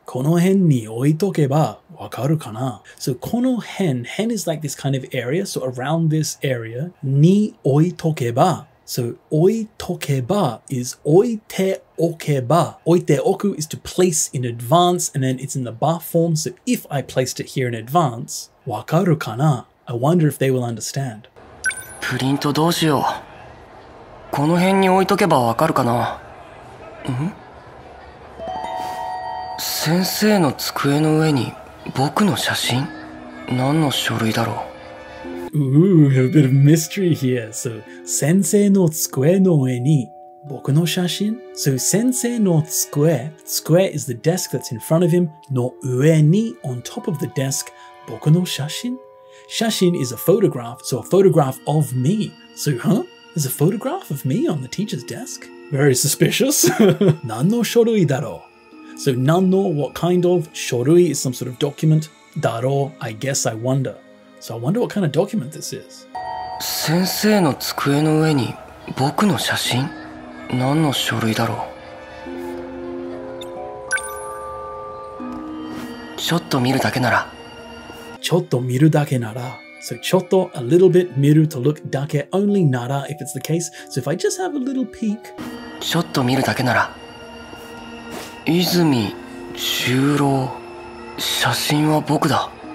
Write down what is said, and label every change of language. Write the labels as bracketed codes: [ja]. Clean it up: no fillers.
[ja] Kono hen ni oitokeba wakaru kana? [en] So kono hen is like this kind of area, so around this area, ni oitokeba. So oitokeba is oite okeba. Oite oku is to place in advance, and then it's in the ba form, so if I placed it here in advance, wakaru kana? I wonder if they will understand. [ja] Printo doshio? この辺に置いとけばわかるかな。ん？先生の机の上に僕の写真？何の書類だろう。 [en] Ooh, a bit of mystery here. [ja] So, 先生の机の上に僕の写真？ [en] So, 先生の机、机 is the desk that's in front of him, の上に、on top of the desk, 僕の写真？写真 is a photograph, so a photograph of me. So, huh? There's a photograph of me on the teacher's desk? Very suspicious. [ja] 何の書類だろう? [en] So 何の, what kind of, 書類 is some sort of document. だろう, I guess I wonder. So I wonder what kind of document this is. [ja] 先生の机の上に僕の写真? 何の書類だろう? ちょっと見るだけなら。ちょっと見るだけなら。 [en] So chotto, a little bit, miru, to look, dake, only nara, if it's the case. So if I just have a little peek. [ja] Chotto miru dake nara. Izumi, Juro, shashin wa boku da.